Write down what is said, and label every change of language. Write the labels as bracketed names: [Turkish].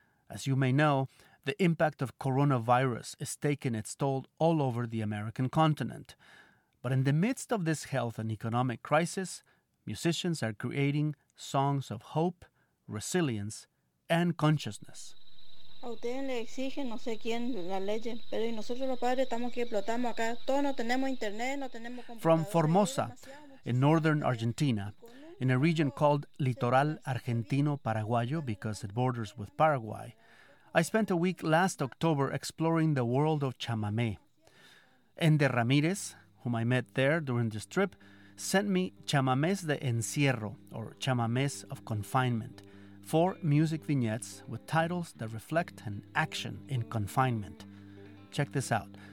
[English] As you may know, the impact of coronavirus is taking its toll all over the American continent. But in the midst of this health and economic crisis, musicians are creating songs of hope, resilience, and consciousness. [Spanish] A ustedes les exigen, no sé quién, la ley, pero y nosotros los padres estamos aquí, explotamos acá. Todos no tenemos internet, no tenemos computadores. [English] From Formosa, in northern Argentina, in a region called Litoral Argentino Paraguayo, because it borders with Paraguay, I spent a week last October exploring the world of chamamé. Ender Ramírez, whom I met there during this trip, sent me [Spanish] chamamés de encierro, [English] or chamamés of confinement, four music vignettes with titles that reflect an action in confinement. Check this out.